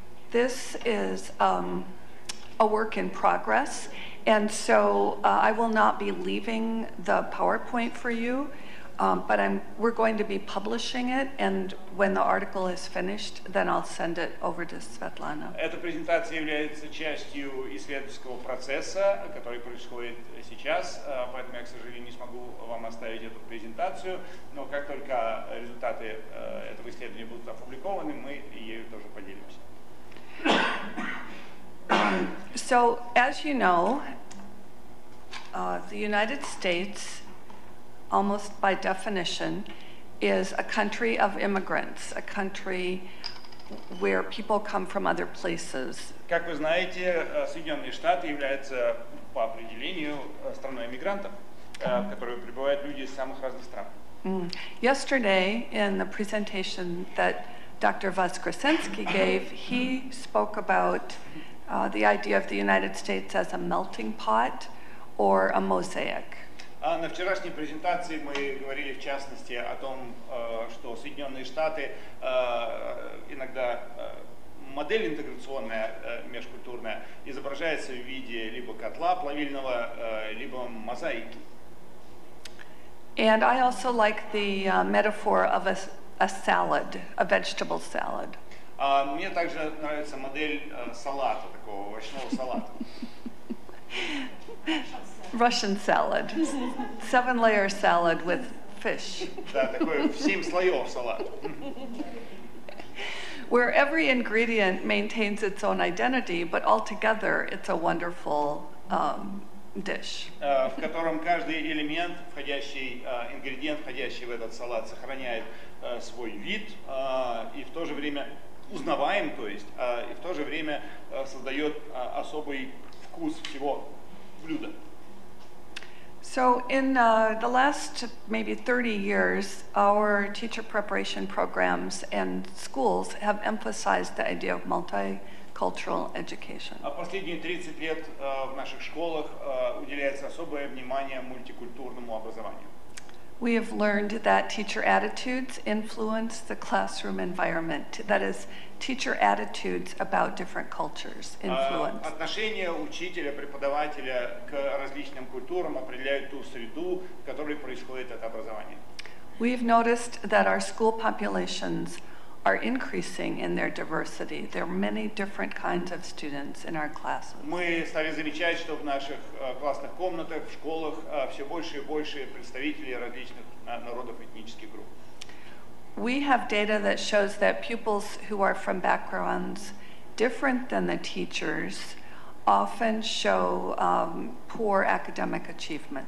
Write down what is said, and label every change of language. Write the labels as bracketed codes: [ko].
[en] This is a work in progress, and so I will not be leaving the PowerPoint for you. But we're going to be publishing it, and when the article is finished, then I'll send it over to Svetlana. [ru] Эта презентация является частью исследовательского процесса, который происходит сейчас, поэтому я, к сожалению, не смогу вам оставить эту презентацию, но как только результаты этого исследования будут опубликованы, мы ею тоже поделимся. [en] So, as you know, the United States almost by definition is a country of immigrants, a country where people come from other places. [ru] Как вы знаете, Соединенные Штаты являются по определению страной иммигрантов, в которую прибывают люди из самых разных стран. [en] Yesterday, in the presentation that Dr. Voskresensky gave, he spoke about the idea of the United States as a melting pot or a mosaic. [ru] На вчерашней презентации мы говорили в частности о том, что Соединенные Штаты иногда модель интеграционная, межкультурная, изображается в виде либо котла плавильного, либо мозаики. [en] And I also like the metaphor of a salad, a vegetable salad. [ru] Мне также нравится модель салата, такого овощного салата. [en] Russian salad, seven-layer salad with fish. [ru] Да, такой семь слоев салат. [en] Where every ingredient maintains its own identity, but altogether it's a wonderful dish. [ru] В котором каждый элемент, входящий ингредиент, входящий в этот салат, сохраняет свой вид и в то же время узнаваем, то есть, и в то же время создает особый вкус всего блюда. [en] So in the last maybe 30 years, our teacher preparation programs and schools have emphasized the idea of multi cultural education. [ru] А последние 30 лет в наших школах уделяется особое внимание мультикультурному образованию. [en] We have learned that teacher attitudes influence the classroom environment. That is, teacher attitudes about different cultures influence. [ru] Отношение учителя, преподавателя к различным культурам определяет ту среду, в которой происходит это образование. [en] We have noticed that our school populations are increasing in their diversity. There are many different kinds of students in our classes. [ru] Мы стали замечать, что в наших классных комнатах, в школах все больше и больше представителей различных народов, этнических групп. [en] We have data that shows that pupils who are from backgrounds different than the teachers often show poor academic achievement.